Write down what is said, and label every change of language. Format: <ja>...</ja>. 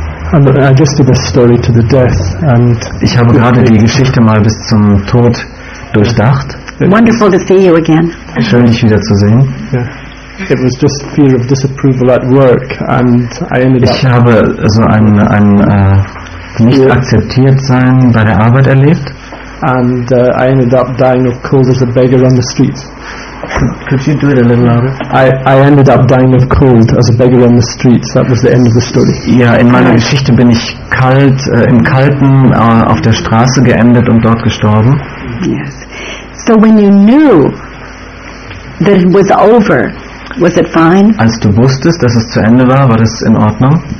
<en>I just did a story to the death and</en> <de>ich habe gerade die Geschichte mal bis zum Tod durchdacht.</de> <en>Wonderful to see you again.</en> <de>Schön dich wiederzusehen.</de> <en>Yeah. It was just fear of disapproval at work and I ended</en> <de>ich habe so ein nicht akzeptiert sein bei der Arbeit erlebt.</de> <en>And I ended up dying of cold as a beggar on the street. Could you do it a little louder? I ended up dying of cold as a beggar on the street. That was the end of the story.</en> <de>Ja, in meiner Geschichte bin ich kalt, im Kalten auf der Straße geendet und dort gestorben.</de> <en>Yes. So when you knew that it was over, was it fine?</en> <de>Als du wusstest, dass es zu Ende war das in Ordnung?</de>